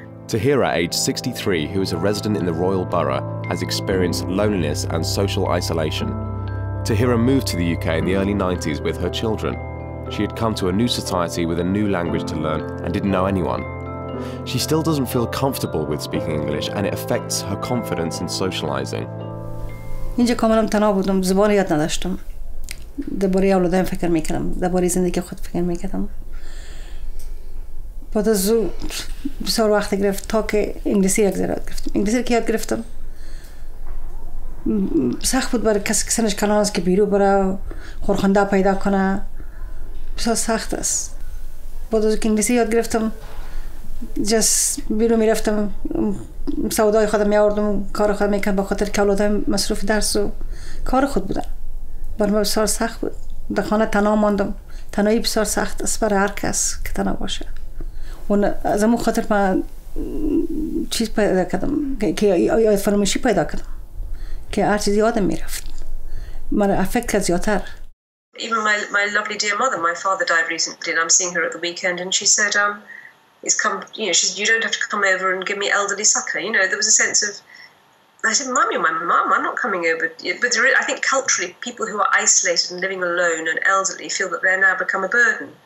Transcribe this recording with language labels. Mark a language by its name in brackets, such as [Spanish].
[English] Taira, age 63, who is a resident in the Royal Borough, has experienced loneliness and social isolation. Taira moved to the UK in the early 90s with her children. She had come to a new society with a new language to learn and didn't know anyone. She still doesn't feel comfortable with speaking English, and it affects her confidence in socializing. [Persian] اینجا کاملا تنها بودم، زبان یاد نداشتم. درباره اولادم فکر میکردم، درباره زندگی خود فکر میکردم. بعد از اون بسیار وقت گرفت تا که انگلیسی یاد گرفتم. انگلیسی که یاد گرفتم سخت بود برای کسی که سنش کلان است که بیرون بره و خورخنده پیدا کنه. بسیار سخت است. بود از انگلیسی یاد گرفتم جس بیرون میرفتم سودای خودم میاردم کار خودم میکنم با خاطر که اولادم مصروف درس و کار خود بودن برام بسیار سخت بود در خانه تنها ماندم تنهایی بسیار سخت است برای هر کس که تنها باشه اون از اون خاطر من چیز پیدا کردم که یاد فراموشی پیدا کردم که هر چیز یادم میرفت من افکت کرد زیادتر [English] Even my lovely dear mother, my father died recently, and I'm seeing her at the weekend. And she said, "It's come. You know, she's. You don't have to come over and give me elderly succor." You know, there was a sense of. I said, "Mum, you're my mum. I'm not coming over." But there is, I think culturally, people who are isolated and living alone and elderly feel that they're now become a burden,